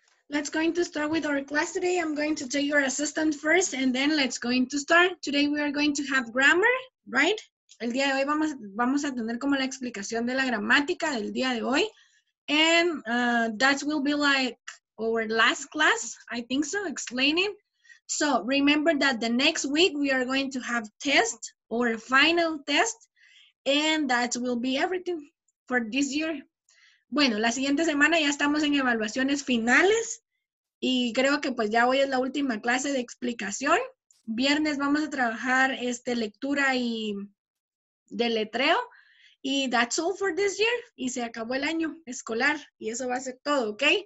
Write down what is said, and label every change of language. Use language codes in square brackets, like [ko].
[en] Let's going to start with our class today. I'm going to tell your assistant first, and then let's going to start. Today we are going to have grammar, right? [es] El día de hoy vamos a tener como la explicación de la gramática del día de hoy. [en] And that will be like our last class, I think so, explaining. So remember that the next week we are going to have test or final test, and that will be everything for this year. [es] Bueno, la siguiente semana ya estamos en evaluaciones finales y creo que pues ya hoy es la última clase de explicación. Viernes vamos a trabajar lectura y deletreo y [en] that's all for this year. [es] Y se acabó el año escolar y eso va a ser todo, ¿ok?